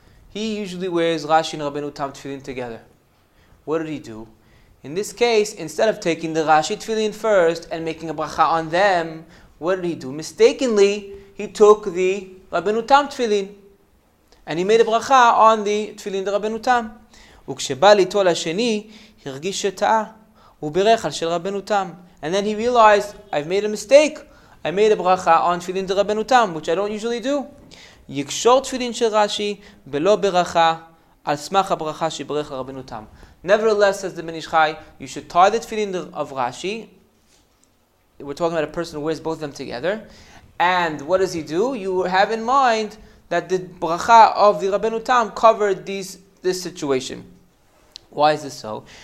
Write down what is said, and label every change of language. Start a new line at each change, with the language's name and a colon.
English: He usually wears Rashi and Rabbeinu Tam tefillin together. What did he do? In this case, instead of taking the Rashi tefillin first and making a bracha on them, what did he do? Mistakenly, he took the Rabbeinu Tam tefillin and he made a bracha on the tefillin de Rabbeinu Tam.
Hebrew: וכשבא ליטול השני, הרגיש שטעה וברך על של Rabbeinu Tam.
English: And then he realized, I've made a mistake. I made a bracha on tefillin de Rabbeinu Tam, which I don't usually do.
Hebrew: יקשור תפילין של רשי בלא ברכה על סמך הברכה שברך רבנו תם.
English: Nevertheless, says the Ben Ish Chai, you should tie the tefillin of Rashi. We're talking about a person who wears both of them together. And what does he do? You have in mind that the bracha of the Rabbeinu Tam covered this situation. Why is this so?